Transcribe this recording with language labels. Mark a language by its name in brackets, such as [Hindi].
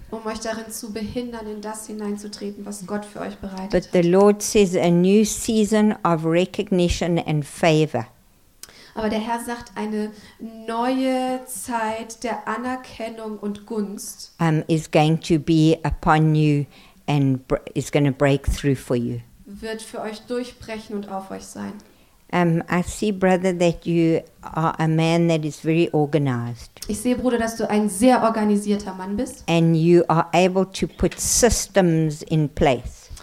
[German] Um euch darin zu behindern, in das hineinzutreten, was Gott für euch bereitet [English] hat. But the Lord says a new season of recognition and favor. [German] Aber der Herr sagt, eine neue Zeit der Anerkennung und Gunst [English] is going to be upon you and is going to break through for you. [German] Wird für euch durchbrechen und auf euch sein. [English] I see, brother, that you are a man that is very organized. [German] Ich sehe, Bruder, dass du ein sehr organisierter Mann bist. [English] And you are able to put systems in place.